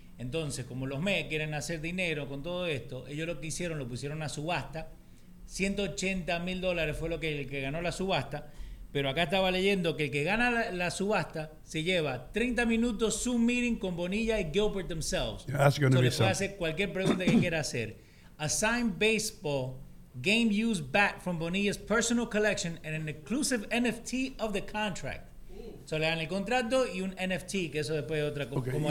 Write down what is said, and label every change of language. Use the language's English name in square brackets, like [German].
[Spanish] Entonces, como los Mets quieren hacer dinero con todo esto, ellos lo que hicieron, lo pusieron a subasta. $180,000 fue lo que el que ganó la subasta. Pero acá estaba leyendo que el que gana la subasta se lleva 30 minutos Zoom meeting con Bonilla y Gilbert themselves. [English] Yeah, that's gonna so be [Spanish] le puede hacer cualquier pregunta que quiera hacer. [English] Assigned baseball game used bat from Bonilla's personal collection and an exclusive NFT of the contract. [Spanish] So le dan el contrato y un NFT, que eso después es otra cosa, okay, como